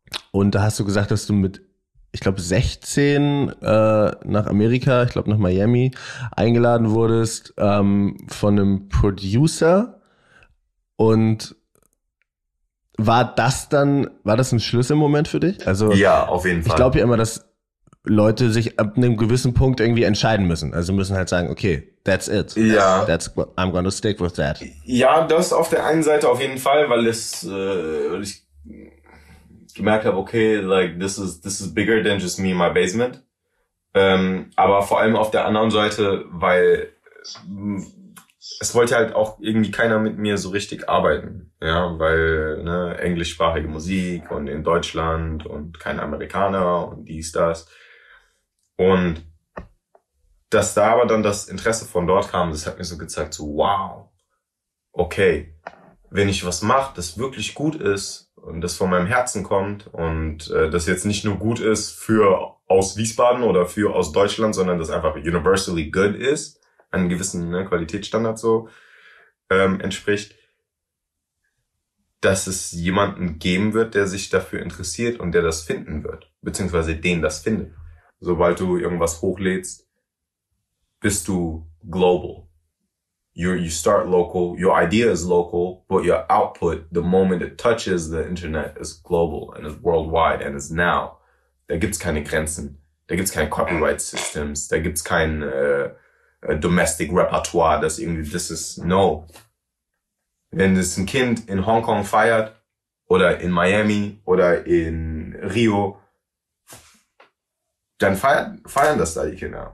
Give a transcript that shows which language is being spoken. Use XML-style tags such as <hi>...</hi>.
<de>Und da hast du gesagt, dass du mit, ich glaube, 16 nach Amerika, ich glaube nach Miami, eingeladen wurdest von einem Producer. Und war das ein Schlüsselmoment für dich? Also, ja, auf jeden Fall. Ich glaube ja immer, dass Leute sich ab einem gewissen Punkt irgendwie entscheiden müssen. Also müssen halt sagen, okay,</de> <en>that's it.</en> <de>Ja.</de> <en>I'm gonna stick with that.</en> <de>Ja, das auf der einen Seite auf jeden Fall, weil es ich gemerkt habe, okay,</de> <en>like this is bigger than just me in my basement.</en> <de>Aber vor allem auf der anderen Seite, weil es wollte halt auch irgendwie keiner mit mir so richtig arbeiten. Ja, weil, ne, englischsprachige Musik und in Deutschland und kein Amerikaner und dies, das. Und dass da aber dann das Interesse von dort kam, das hat mir so gezeigt, so wow, okay, wenn ich was mache, das wirklich gut ist und das von meinem Herzen kommt und das jetzt nicht nur gut ist für aus Wiesbaden oder für aus Deutschland, sondern das einfach</de> <en>universally good</en> <de>ist, einem gewissen, ne, Qualitätsstandard so entspricht, dass es jemanden geben wird, der sich dafür interessiert und der das finden wird, beziehungsweise den das findet. Sobald du irgendwas hochlädst, bist du global.</de> <en>You start local, your idea is local, but your output, the moment it touches the internet, is global and is worldwide and is now.</en> <de>Da gibt's keine Grenzen, da gibt's keine Copyright Systems, da gibt's kein domestic Repertoire, das irgendwie,</de> <en>this is, no.</en> <de>Wenn es ein Kind in Hongkong feiert oder in Miami oder in Rio, dann feiern das da die Kinder.</de>